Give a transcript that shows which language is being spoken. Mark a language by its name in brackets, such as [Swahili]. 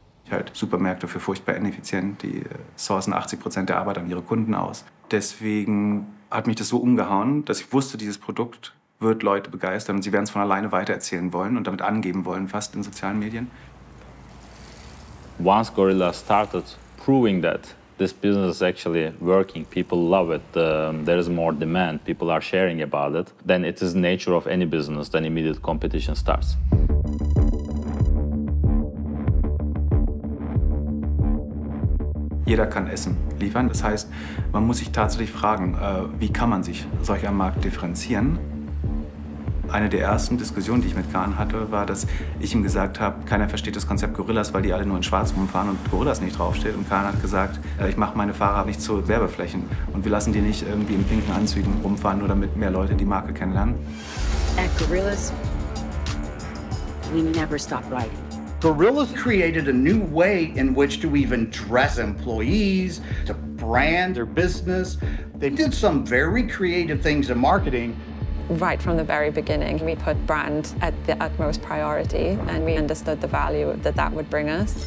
[German] Halt Supermärkte für furchtbar ineffizient. Die sourcen 80% der Arbeit an ihre Kunden aus. Deswegen hat mich das so umgehauen, dass ich wusste, dieses Produkt wird Leute begeistern und sie werden es von alleine weitererzählen wollen und damit angeben wollen, fast in sozialen Medien. [English] Once Gorilla started proving that this business is actually working, people love it, there is more demand, people are sharing about it, then it is nature of any business, then immediate competition starts. [German] Jeder kann Essen liefern. Das heißt, man muss sich tatsächlich fragen, wie kann man sich solch am Markt differenzieren? Eine der ersten Diskussionen, die ich mit Kahn hatte, war, dass ich ihm gesagt habe, keiner versteht das Konzept Gorillas, weil die alle nur in Schwarz rumfahren und Gorillas nicht draufsteht. Und Kahn hat gesagt, ich mache meine Fahrer nicht zu Werbeflächen und wir lassen die nicht irgendwie in pinken Anzügen rumfahren, nur damit mehr Leute die Marke kennenlernen. [English] At Gorillas, we never stop riding. Gorillas created a new way in which to even dress employees, to brand their business. They did some very creative things in marketing. Right from the very beginning, we put brand at the utmost priority, and we understood the value that that would bring us.